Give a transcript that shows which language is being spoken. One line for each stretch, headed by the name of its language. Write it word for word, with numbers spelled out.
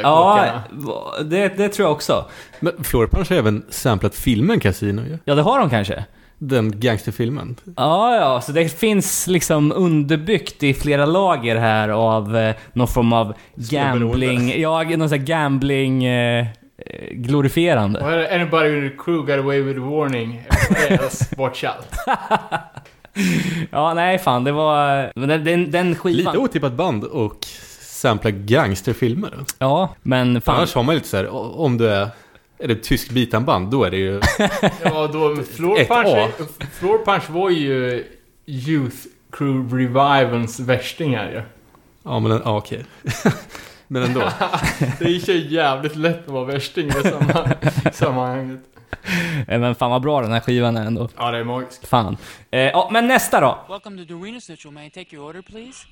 Swedish: ja, det, det tror jag också. Men Floor Punch har även samplat filmen Casino ju. Ja, det har de kanske. Den gangsterfilmen. Ja, ja, så det finns liksom underbyggt i flera lager här av eh, någon form av gambling. Ja, någon sån här gambling... Eh, glorifierande.
English: Well, anybody with the crew got away with a warning. Watch out.
Swedish: Ja, nej fan, det var den, den, den skivan. Lite otippat band och sampla gangsterfilmer. Ja, men fan. Annars har man lite så här, om du är, är det tysk bitanband, då är det ju ja, då Floor Punch, Floor Punch var ju Youth Crew Revivalens värstingar ju. Ja. Ja, men ja, okej. Men ändå. Det är ju jävligt lätt att vara värsting i samma sammanhanget. Men fan vad bra den här skivan är ändå. Ja, det är magisk. Fan. Eh, ja, men nästa då.
English: Welcome to Dorina Central, may I take your order please?